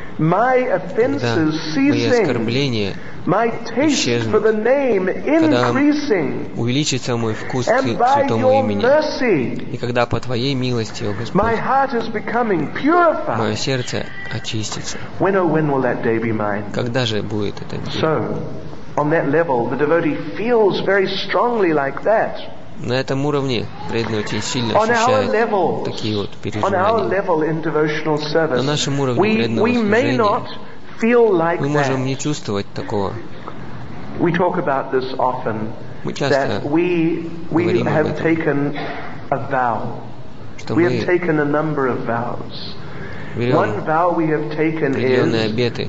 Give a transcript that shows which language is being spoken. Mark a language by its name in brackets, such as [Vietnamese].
[English] my offenses ceasing, my taste for the name increasing, [Russian] увеличится мой вкус к святому имени, и когда по твоей милости, о Господь, [English] my heart is becoming purified, [Russian] мое сердце очистится. [English] When, oh, when will that day be mine? [Russian] Когда же будет этот день? [English] So, on that level, the devotee feels very strongly like that. [Russian] На этом уровне преданный очень сильно ощущает такие вот переживания. На нашем уровне преданного служения мы можем не чувствовать такого. Мы часто говорим об этом, что мы берем определенные обеты.